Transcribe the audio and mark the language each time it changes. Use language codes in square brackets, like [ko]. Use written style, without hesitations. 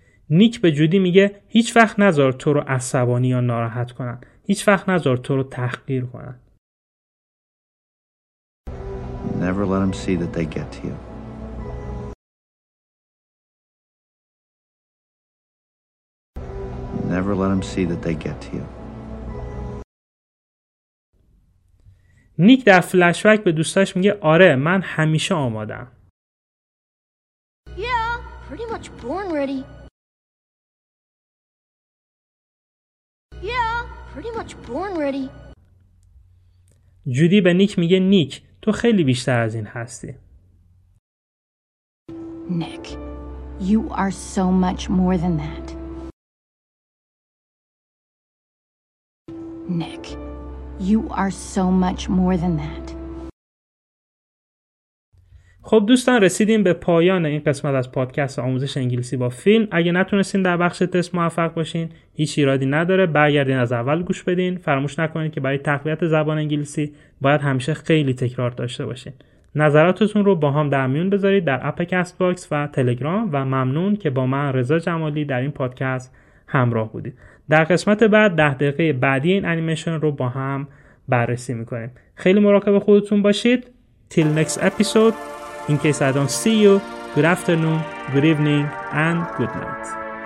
[fa] نیک به جودی میگه هیچ وقت نذار تو رو عصبانی یا ناراحت کنن. هیچ وقت نذار تو رو تحقیر کنن. [en] Never let them see that they get to you. Never let them see that they get to you. [fa] نیک در فلشبک به دوستاش میگه آره من همیشه آمادم. [en] Yeah, pretty much born ready. Yeah, pretty much born ready. [fa] جودی به نیک میگه نیک تو خیلی بیشتر از این هستی. [en] Nick, you are so much more than that. Nick, you are so much more than that. [fa] خب دوستان رسیدیم به پایان این قسمت از پادکست آموزش انگلیسی با فیلم. اگه نتونستین در بخش تست موفق باشین هیچ ایرادی نداره، برگردین از اول گوش بدین. فراموش نکنید که برای تقویت زبان انگلیسی باید همیشه خیلی تکرار داشته باشین. نظراتتون رو با هم در میون بذارید در اپ کست باکس و تلگرام و ممنون که با من رضا جمالی در این پادکست همراه بودید. در قسمت بعد 10 دقیقه بعدی این انیمیشن رو با هم بررسی می‌کنیم. خیلی مراقب خودتون باشید. [en] Till next episode. In case I don't see you, good afternoon, good evening, and good night.